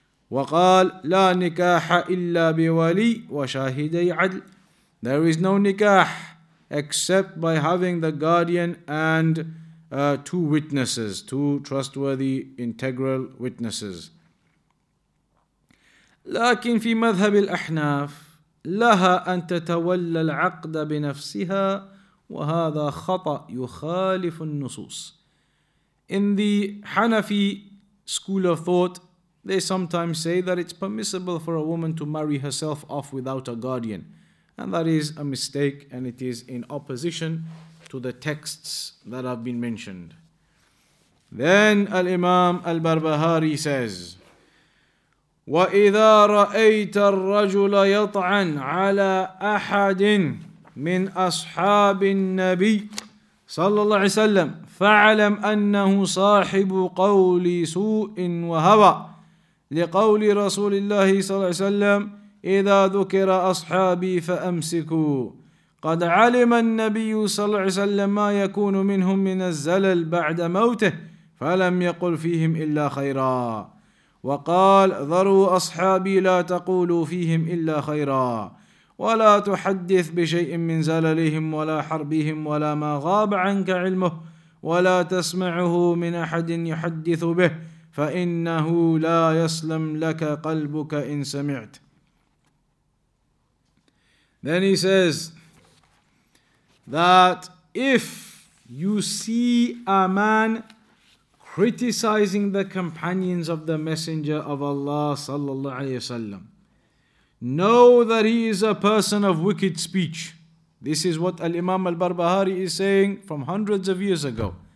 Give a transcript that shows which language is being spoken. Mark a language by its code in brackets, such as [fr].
[ar] وقال لا نكاح إلا بولي وشاهدي عدل. [en] There is no nikah except by having the guardian and two witnesses, two trustworthy integral witnesses. [ar] لكن في مذهب الأحناف لها أن تتولى العقد بنفسها وهذا خطأ يخالف النصوص. [en] In the Hanafi school of thought, they sometimes say that it's permissible for a woman to marry herself off without a guardian. And that is a mistake, and it is in opposition to the texts that have been mentioned. Then Al-Imam Al-Barbahari says, [ar] وَإِذَا رَأَيْتَ الرَّجُلَ يَطْعَنْ عَلَىٰ أَحَدٍ مِّنْ أَصْحَابِ النَّبِيِّ صَلَّى اللَّهِ عَلَيْهِ وَسَلَّمْ فَعَلَمْ أَنَّهُ صَاحِبُ قَوْلِ سُوءٍ وَهَوَىٰ لقول رسول الله صلى الله عليه وسلم إذا ذكر أصحابي فأمسكوا قد علم النبي صلى الله عليه وسلم ما يكون منهم من الزلل بعد موته فلم يقل فيهم إلا خيرا وقال ذروا أصحابي لا تقولوا فيهم إلا خيرا ولا تحدث بشيء من زللهم ولا حربهم ولا ما غاب عنك علمه ولا تسمعه من أحد يحدث به فَإِنَّهُ لَا يَسْلَمْ لَكَ قَلْبُكَ إِن سَمِعْتْ. [en] Then he says that if you see a man criticizing the companions of the Messenger of Allah [ar] sallallahu alayhi wasallam. [en] Know that he is a person of wicked speech. This is what Al-Imam Al-Barbahari is saying from hundreds of years ago.